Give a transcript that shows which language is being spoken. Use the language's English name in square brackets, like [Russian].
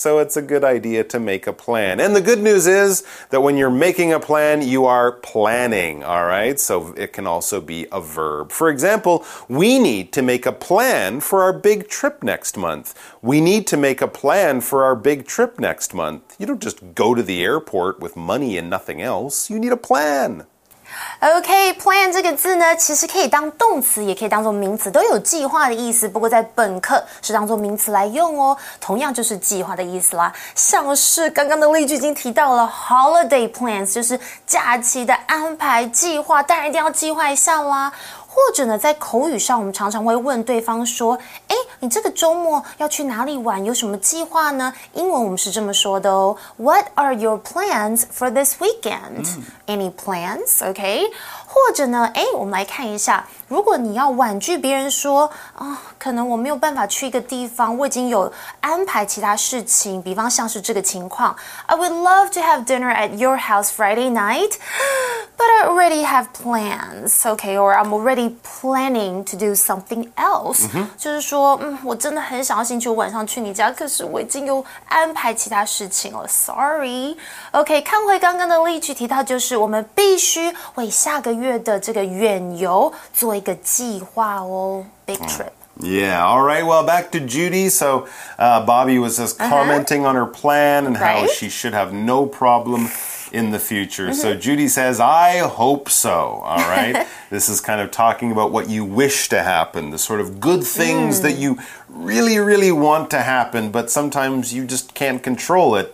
[English] So it's a good idea to make a plan. And the good news is that when you're making a plan, you are planning, all right? So it can also be a verb. For example, we need to make a plan for our big trip next month. We need to make a plan for our big trip next month. You don't just go to the airport with money and nothing else. You need a plan. [Chinese] Okay, plan 这个字呢，其实可以当动词，也可以当做名词，都有计划的意思。不过在本课是当做名词来用哦，同样就是计划的意思啦。像是刚刚的例句已经提到了 [English] holiday plans， [Chinese] 就是假期的安排计划，当然一定要计划一下啦。或者呢，在口语上，我们常常会问对方说：“哎，你这个周末要去哪里玩？有什么计划呢？” 英文我们是这么说的哦 [English] ：What are your plans for this weekend? Any plans? Okay. [Chinese] 或者呢，哎，我们来看一下，如果你要婉拒别人说：“啊，可能我没有办法去一个地方，我已经有安排其他事情。” 比方像是这个情况 [English] ：“I would love to have dinner at your house Friday night.” But I already have plans, okay? Or I'm already planning to do something else. Mm-hmm. [Chinese] 就是说，我真的很想要星期五晚上去你家，可是我已经有安排其他事情了。 [English] Sorry. Okay, [Chinese] 看回刚刚的例句提到，就是我们必须为下个月的这个远游做一个计划哦。 [English] Big trip. Yeah, all right, well, back to Judy. So, Bobby was just commenting on her plan and how she should have no problem in the future. So, Judy says, I hope so, all right? This is kind of talking about what you wish to happen, the sort of good things that you really, really want to happen, but sometimes you just can't control it.